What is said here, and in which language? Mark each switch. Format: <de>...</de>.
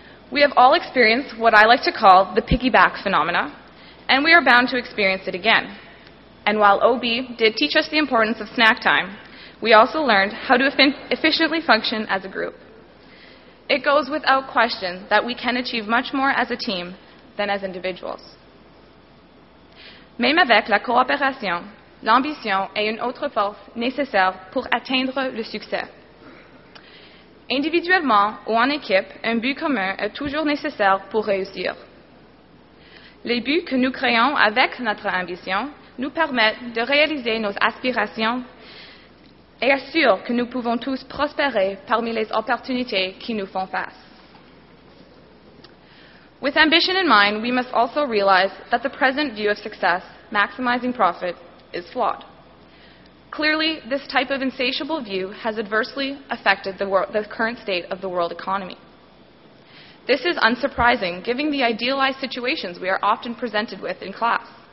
<en>We have all experienced what I like to call the piggyback phenomena, and we are bound to experience it again. And while OB did teach us the importance of snack time, we also learned how to efficiently function as a group. It goes without question that we can achieve much more as a team than as individuals.</en> <fr>Même avec la coopération, l'ambition est une autre force nécessaire pour atteindre le succès. Individuellement ou en équipe, un but commun est toujours nécessaire pour réussir. Les buts que nous créons avec notre ambition nous permettent de réaliser nos aspirations et assurent que nous pouvons tous prospérer parmi les opportunités qui nous font face.</fr> <en>With ambition in mind, we must also realize that the present view of success, maximizing profit, is flawed. Clearly, this type of insatiable view has adversely affected the current state of the world economy. This is unsurprising, given the idealized situations we are often presented with in class.</en>